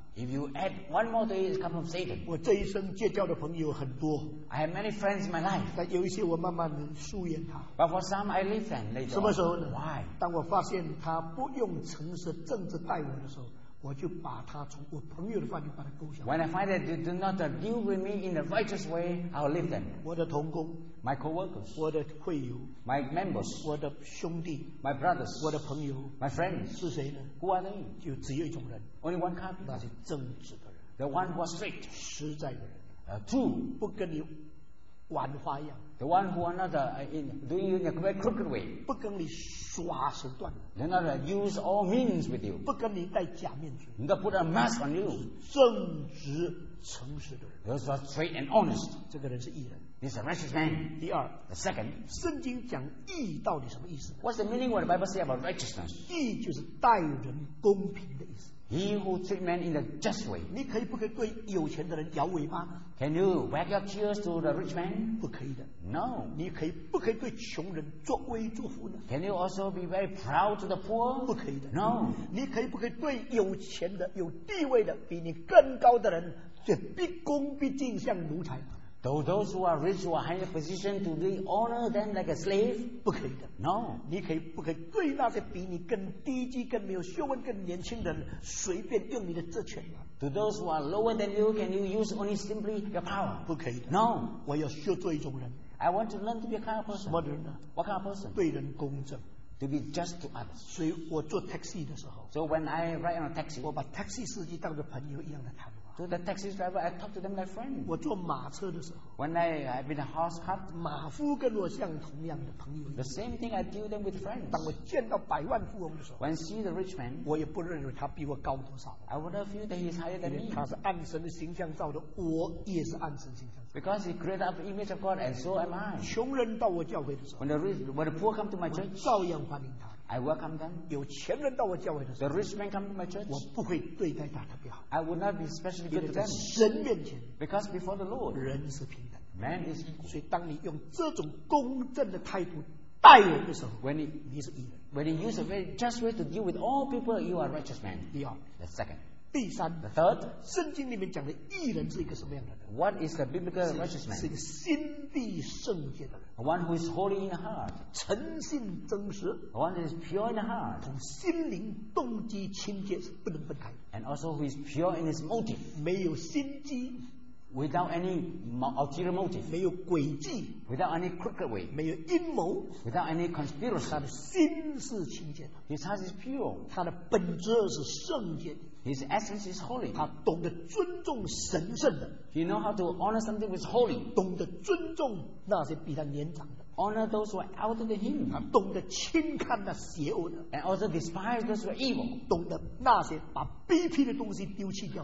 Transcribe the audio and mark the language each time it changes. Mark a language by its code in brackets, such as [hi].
[en] If you add one more day, it comes from Satan. [zh] 我这一生结交的朋友很多。 [en] I have many friends in my life. [zh] 但有一些我慢慢疏远他。 [en] But for some, I leave them later. [zh] 什么时候呢 [en] ？Why? [zh] 当我发现他不用诚实正直待我的时候。我就把他从我朋友的范围把他勾下。 [en] When I find that they do not deal with me in the righteous way, I'll leave them. [zh] 我的同工 [en] ，my co-workers， [zh] 我的会友 [en] ，my members， [zh] 我的兄弟 [en] ，my brothers， [zh] 我的朋友 [en] ，my friends， [zh] 是谁呢 [en] ？Who are they？ [zh] 就只有一种人 [en] ，only one kind， [zh] 那是正直的人 [en] ，the one who are straight， [zh] 实在的人 [en] ，true， [zh] 不跟你玩花样 [en] ，the one who are not in doing you in a very crooked way， [zh] 不跟你。耍手段 [en] ，They're not use all means with you. [zh] 不跟你戴假面具 [en] ，They put a mask on you. [zh] 正直诚实的人 [en] ，Those are straight and honest. [zh] 这个人是义人 [en] ，He's a righteous man. [zh] 第二 [en] ，The second. [zh] 圣经讲义到底什么意思 [en] ？What's the meaning of the Bible say about righteousness? [zh] 义就是待人公平的意思。 [en] He who treat men in a just way. [zh] 你可以不可以对有钱的人摇尾巴 [en] ？Can you wag your tails to the rich man? [zh] 不可以的。 [en] No. [zh] 你可以不可以对穷人作威作福呢 [en] ？Can you also be very proud to the poor? [zh] 不可以的。 [en] No. [zh] 你可以不可以对有钱的、有地位的、比你更高的人，就毕恭毕敬，像奴才？ [en] Though those who are rich or high in position to be honor them like a slave? [zh] 不可以的。 [en] No. [zh] 你可以不可以对那些比你更低级、更没有学问、更年轻人随便用你的职权吗？ [en] To those who are lower than you, can you use only simply your power? [zh] 不可以的。 [en] No. [zh] 我要学做一种人。 [en] I want to learn to be a kind of person. [zh] 什么人呢？ [en] What kind of person? [zh] 对人公正。 [en] To be just to others. [zh] 所以我坐 taxi 的时候。 [en] So when I ride on a taxi. [zh] 我把 taxi 司机当作朋友一样的谈。 [en] So the taxi driver, I talk to them like friends. [zh] 我坐马车的时候 [en] ，When I've been a horse cart, [zh] 马夫跟我像同样的朋友。 [en] The same thing I deal them with friends. [zh] 当我见到百万富翁的时候 [en] ，When see the rich man, [zh] 我也不认为他比我高多少。 [en] I would have feel that he's higher than me. [zh] 他是按神的形象造的，我也是按神形象造。 [en] Because he created up image of God, and so am I. [zh] 穷人到我教会的时候 [en] ，When the poor come to my church, [zh] 我照样欢迎他。 [en] I welcome them. [zh] 有钱人到我教会的时候 [en] ，The rich man come to my church. [zh] 我不会对待他特别好。 [en] I would not be specially good to them. [zh] 神面前 [en] ，Because before the Lord, [zh] 人是平等 [en] ，Man is equal. [zh] 所以当你用这种公正的态度待人的时候 [en] ，When [zh] you 你是义人 [en] ，When you use a very just way to deal with all people, you are a righteous man. [zh] 第二 [en] ，The second. [zh] 第三 [en] ，The third. [zh] 圣经里面讲的义人是一个什么样的人 [en] ？What is the biblical righteous man? [zh] 是一个心地圣洁的人。 [en] One who is holy in heart, [zh] 诚信真实 [en] One who is pure in heart, [zh] 从心灵动机清洁不能分开 [en] And also who is pure in his motive, [zh] 没有心机 [en] Without any ulterior motive, [zh] 没有诡计 [en] Without any crooked way, [zh] 没有阴谋 [en] Without any conspiracy, [zh] 他的心是清洁的 [en] His heart is pure, [zh] 他的本质是圣洁的 [en] His essence is holy, [zh] 他懂得尊重神圣的 [en] You know how to honor something with holy. [zh] 懂得尊重那些比他年长的。 [en] Honor those who are elder than him. [zh] 懂得轻看那邪恶的。 [en] And also despise those who are evil. [zh] 懂得那些把卑鄙的东西丢弃掉。